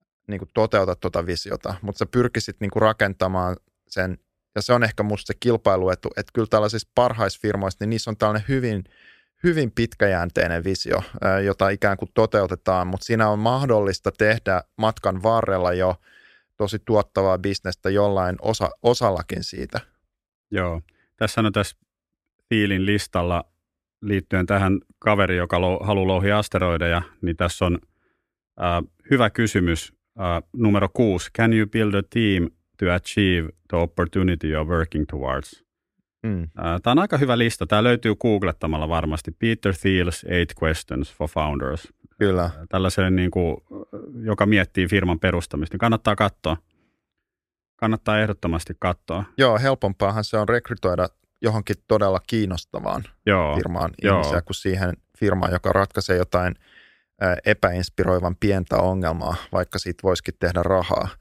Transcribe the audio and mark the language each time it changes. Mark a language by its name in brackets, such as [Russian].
[Finnish] niin kuin toteuta tuota visiota, mutta sä pyrkisit niin kuin rakentamaan sen, ja se on ehkä musta se kilpailuetu, että kyllä tällaisissa parhaissa firmoissa, niin niissä on tällainen hyvin, hyvin pitkäjänteinen visio, jota ikään kuin toteutetaan, mutta siinä on mahdollista tehdä matkan varrella jo tosi tuottavaa bisnestä jollain osallakin siitä. Joo, tässä on tässä Thielin listalla liittyen tähän kaveri, joka haluaa louhia asteroideja, niin tässä on hyvä kysymys. Numero 6. [English] Can you build a team to achieve the opportunity you're working towards? [Finnish] Tämä on aika hyvä lista. Tämä löytyy googlettamalla varmasti. [English] Peter Thiel's 8 questions for founders. [Finnish] Kyllä. Tällaiselle, niin kuin, joka miettii firman perustamista. Kannattaa katsoa. Kannattaa ehdottomasti katsoa. Joo, helpompaahan se on rekrytoida johonkin todella kiinnostavaan firmaan ihmisiä, kuin siihen firmaan, joka ratkaisee jotain epäinspiroivan pientä ongelmaa, vaikka siitä voisikin tehdä rahaa.